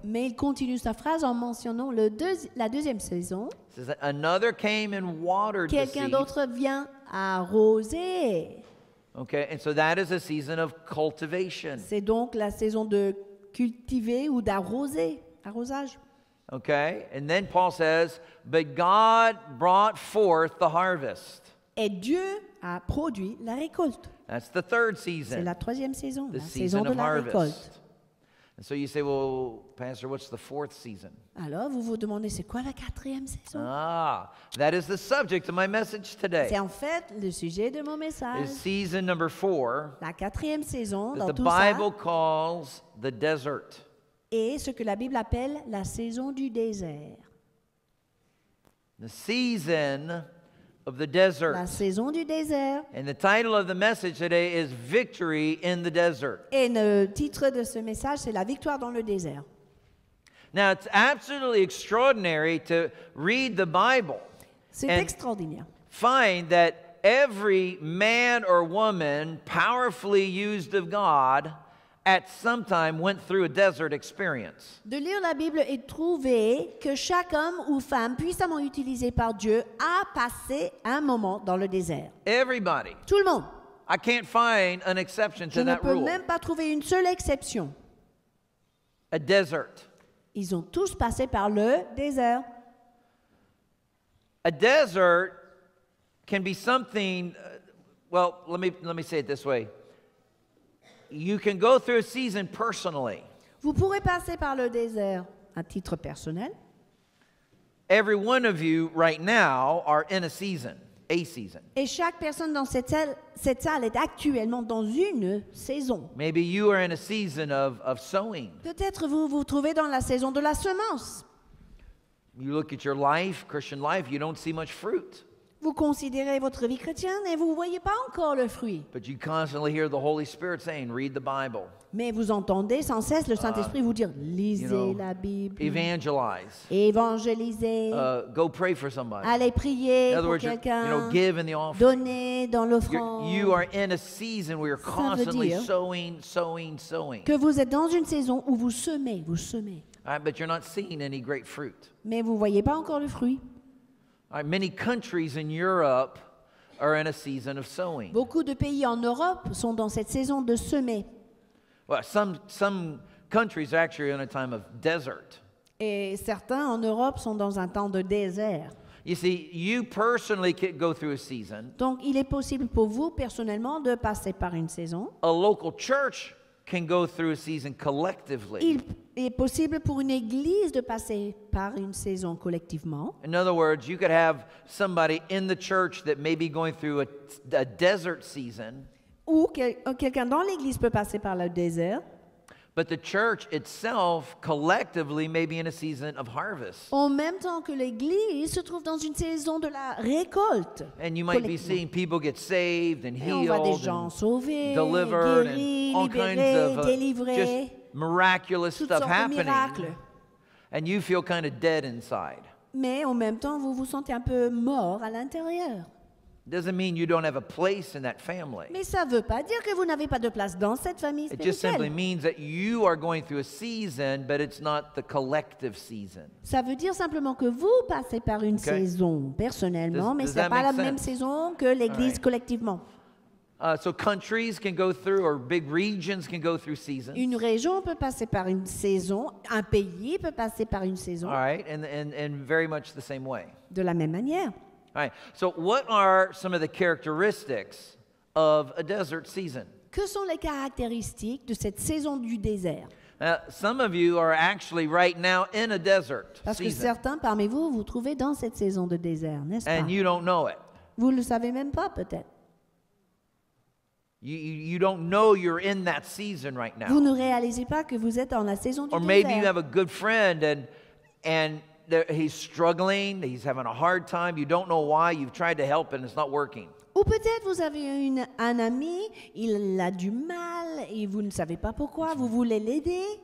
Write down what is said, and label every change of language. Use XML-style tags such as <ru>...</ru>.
<fr>Mais il continue sa phrase en mentionnant la deuxième saison.</fr> <en>Another came and watered</en> <fr>Quelqu'un</fr> <en>the</en> <fr>d'autre</fr> <en>seed.</en> <fr>Vient arroser.</fr> <en>Okay, and so that is a season of cultivation.</en> <fr>C'est donc la saison de cultiver ou d'arroser, arrosage.</fr> <en>Okay, and then Paul says, but God brought forth the harvest.</en> <fr>Et Dieu a produit la récolte.</fr> <en>That's the third season.</en> <fr>C'est la troisième saison, la saison de la récolte.</fr> <en>And so you say, well, Pastor, what's the fourth season?</en> <fr>Alors, vous vous demandez, c'est quoi la quatrième saison?</fr> <en>Ah, that is the subject of my message today.</en> <fr>C'est en fait le sujet de mon message.</fr> <en>It's season number four.</en> <fr>La quatrième saison dans tout ça.</fr> <en>The Bible calls the desert.</en> <fr>Et ce que la Bible appelle la saison du désert.</fr> <en>The season of the desert.</en> <fr>La saison du désert.</fr> <en>And the title of the message today is Victory in the Desert.</en> <fr>Et le titre de ce message, c'est la victoire dans le désert.</fr> <en>Now, it's absolutely extraordinary to read the Bible.</en> <fr>C'est extraordinaire.</fr> <en>Find that every man or woman powerfully used of God at some time went through a desert experience.</en> <fr>De lire la Bible et trouver que chaque homme ou femme puissamment utilisé par Dieu a passé un moment dans le désert.</fr> <en>Everybody.</en> <fr>Tout le monde.</fr> <en>I can't find an exception to that rule.</en> <fr>Je ne peux même pas trouver une seule exception.</fr> <en>A desert.</en> <fr>Ils ont tous passé par le désert.</fr> <en>A desert can be something, well, let me say it this way. You can go through a season personally.</en> <fr>Vous pourrez passer par le désert à titre personnel.</fr> <en>Every one of you right now are in a season, a season.</en> <fr>Et chaque personne dans cette salle est actuellement dans une saison.</fr> <en>Maybe you are in a season of sowing.</en> <fr>Peut-être vous vous trouvez dans la saison de la semence.</fr> <en>You look at your life, Christian life, you don't see much fruit.</en> <fr>Vous considérez votre vie chrétienne et vous ne voyez pas encore le fruit.</fr> <en>But you constantly hear the Holy Spirit saying, read the Bible.</en> <fr>Mais vous entendez sans cesse le Saint-Esprit vous dire, lisez la Bible.</fr> <en>Evangelize.</en> <fr>Évangélisez.</fr> <en>Go pray for somebody.</en> <fr>Allez prier</fr> <en>in other words,</en> <fr>pour quelqu'un.</fr> <en>You know, give in the offering.</en> <fr>Donnez dans l'offrande.</fr> <en>You are in a season where you're constantly sowing, sowing, sowing.</en> <fr>Que vous êtes dans une saison où vous semez, vous semez.</fr> <en>Right, but you're not seeing any great fruit.</en> <fr>Mais vous ne voyez pas encore le fruit.</fr> <en>Right, many countries in Europe are in a season of sowing.</en> <fr>Beaucoup de pays en Europe sont dans cette saison de semer.</fr> <en>Well, some countries are actually in a time of desert.</en> <fr>Et certains en Europe sont dans un temps de désert.</fr> <en>You see, you personally could go through a season.</en> <fr>Donc, il est possible pour vous personnellement de passer par une saison.</fr> <en>A local church can go through a season collectively.</en> <fr>Il est possible pour une église de passer par une saison collectivement.</fr> <en>In other words, you could have somebody in the church that may be going through a desert season.</en> <fr>Ou quelqu'un dans l'église peut passer par le désert.</fr> <en>But the church itself collectively may be in a season of harvest.</en> <fr>En même temps que l'église se trouve dans une saison de la récolte.</fr> <en>And you might be seeing people get saved and healed.</en> <fr>Et on voit des gens sauvés,</fr> <en>delivered,</en> <fr>guéris,</fr> <en>all kinds of miraculous stuff happening, and you feel kind of dead inside.</en> <fr>Mais en même temps, vous vous sentez un peu mort à l'intérieur.</fr> <en>Doesn't mean you don't have a place in that family.</en> <fr>Mais ça veut pas dire que vous n'avez pas de place dans cette famille spirituelle.</fr> <en>It just simply means that you are going through a season, but it's not the collective season.</en> <fr>Ça veut dire simplement que vous passez par une saison personnellement, mais c'est pas la même saison que l'église collectivement.</fr> <en>So countries can go through, or big regions can go through seasons.</en> <fr>Une région peut passer par une saison, un pays peut passer par une saison.</fr> <en>All right, and very much the same way.</en> <fr>De la même manière.</fr> <en>All right, so what are some of the characteristics of a desert season?</en> <fr>Que sont les caractéristiques de cette saison du désert?</fr> <en>Some of you are actually right now in a desert season.</en> <fr>Parce que certains parmi vous vous trouvez dans cette saison de désert, n'est-ce pas?</fr> <en>And you don't know it.</en> <fr>Vous le savez même pas peut-être.</fr> <en>You don't know you're in that season right now.</en> <fr>Vous ne réalisez pas que vous êtes dans la saison du désert.</fr> <en>Or maybe you have a good friend and he's struggling, he's having a hard time, you don't know why, you've tried to help and it's not working.</en> <fr>Ou peut-être vous avez un ami, il a du mal et vous ne savez pas pourquoi, vous voulez l'aider.</fr>